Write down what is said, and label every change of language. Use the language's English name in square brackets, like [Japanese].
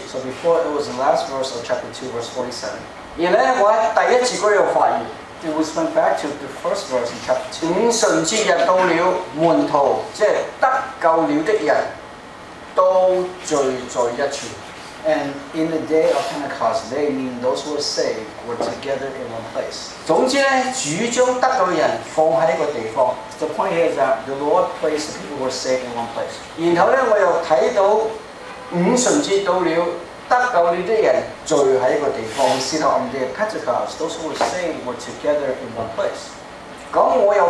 [English] So before it was the last verse of chapter 2 verse 47. [Chinese] 然後我在第一節那裡發現. [English] And we went back to the first verse in chapter 2. [Chinese] 五旬節日到了,門徒,即是得救了的人,都聚在一處. [English] And in the day of Pentecost, they, meaning those who were saved, were together in one place. [Chinese] 總之呢,主將得救的人放在一個地方. [English] The point here is that the Lord placed the people who were saved in one place. [Chinese] 然後呢,我又看到五旬節到了, 得救了的人聚在一個地方. [English] We see on the Pentecost, those who were saved were together in one place.